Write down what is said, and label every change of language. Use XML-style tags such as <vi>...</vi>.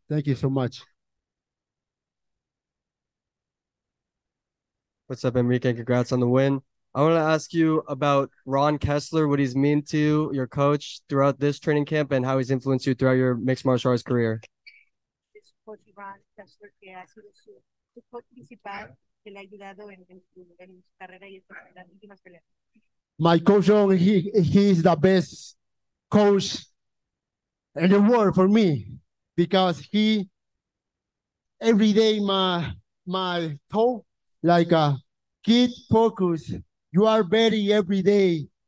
<en>Thank you so much. What's up, Enrique? Congrats on the win. I want to ask you about Ron Kessler, what he's mean to you, your coach throughout this training camp, and how he's influenced you throughout your mixed martial arts career.</en> <es>Coach Iván Kessler, que ha sido su coach principal, que le ha ayudado en su carrera y en las últimas peleas.</es> <en>My coach, he's the best coach in the world for me because he every day my talk. Like keep focused. You are ready every day.</en>